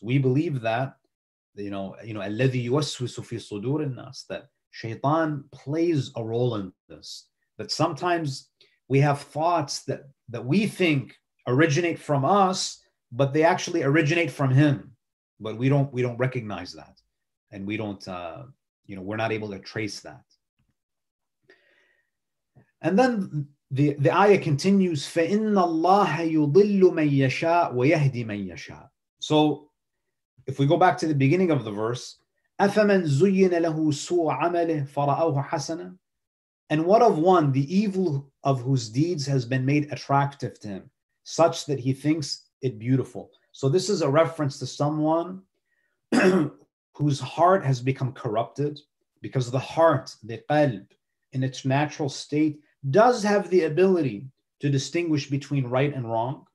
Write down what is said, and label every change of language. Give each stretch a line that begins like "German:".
English: We believe that, you know,
Arabic: الَّذِي يُوَسْوِسُ فِي صُدُورِ النَّاسِ,
English: that Shaitan plays a role in this. That sometimes we have thoughts that we think originate from us, but they actually originate from him. But we don't recognize that, and we don't we're not able to trace that. And then the ayah continues,
Arabic: فَإِنَّ اللَّهَ يُضِلُّ مَن يَشَاءُ وَيَهْدِي مَن يَشَاءُ.
English: So if we go back to the beginning of the verse,
Arabic: أَفَمَنْ زُيِّنَ لَهُ سُوءَ عَمَلِهِ فَرَأَوْهُ حَسَنًا.
English: And what of one, the evil of whose deeds has been made attractive to him, such that he thinks it beautiful. So this is a reference to someone whose heart has become corrupted, because the heart, the qalb, in its natural state, does have the ability to distinguish between right and wrong.